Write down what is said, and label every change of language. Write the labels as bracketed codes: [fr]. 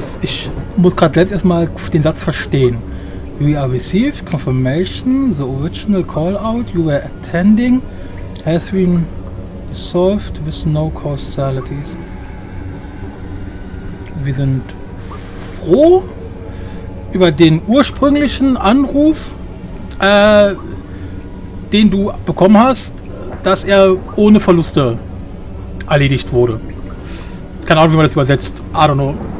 [de] Ich muss gerade selbst erstmal den Satz verstehen. [en] We are received confirmation, the original call out you were attending has been resolved with no causalities. [de] Wir sind froh über den ursprünglichen Anruf, den du bekommen hast, dass er ohne Verluste erledigt wurde. Keine Ahnung, wie man das übersetzt. [en] I don't know.